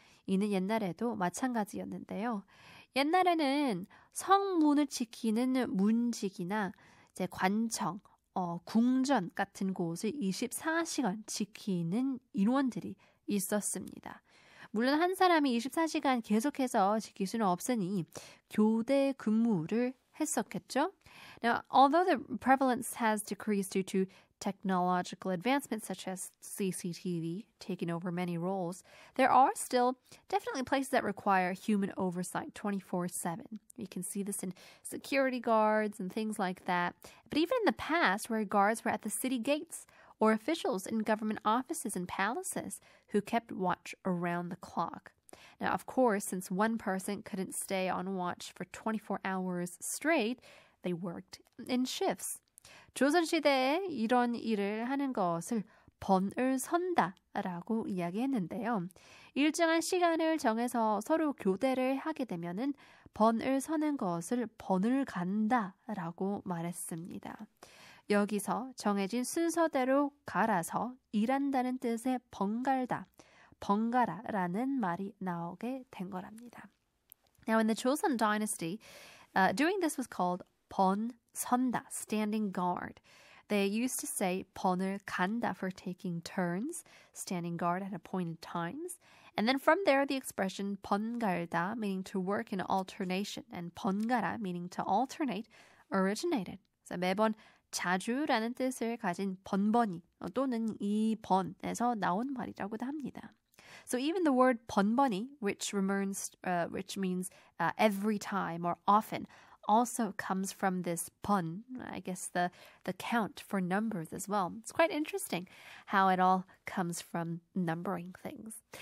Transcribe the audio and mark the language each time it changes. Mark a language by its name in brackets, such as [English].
[Korean] 이는 옛날에도 마찬가지였는데요. 옛날에는 성문을 지키는 문직이나 이제 관청, 궁전 같은 곳을 24시간 지키는 인원들이 있었습니다. 물론 한 사람이 24시간 계속해서 지킬 수는 없으니 교대 근무를 했었겠죠? [English] Now, although the prevalence has decreased due to technological advancements such as CCTV taking over many roles, there are still definitely places that require human oversight 24/7. You can see this in security guards and things like that. But even in the past, where guards were at the city gates or officials in government offices and palaces who kept watch around the clock. Now, of course, since one person couldn't stay on watch for 24 hours straight, they worked in shifts. [Korean] 조선시대에 이런 일을 하는 것을 번을 선다라고 이야기했는데요. 일정한 시간을 정해서 서로 교대를 하게 되면은 번을 서는 것을 번을 간다라고 말했습니다. 여기서 정해진 순서대로 갈아서 일한다는 뜻의 번갈다. 번갈아라는 말이 나오게 된 거랍니다. [English] Now in the Joseon dynasty, doing this was called 번선다, standing guard. They used to say 번을 간다 for taking turns, standing guard at appointed times. And then from there, the expression 번갈다, meaning to work in alternation, and 번갈아, meaning to alternate, originated. [Korean] So 매번 자주라는 뜻을 가진 번번이 또는 이 번에서 나온 말이라고도 합니다. [English] So even the word 번번이, which means every time or often, also comes from this 번, I guess the count for numbers as well. It's quite interesting how it all comes from numbering things.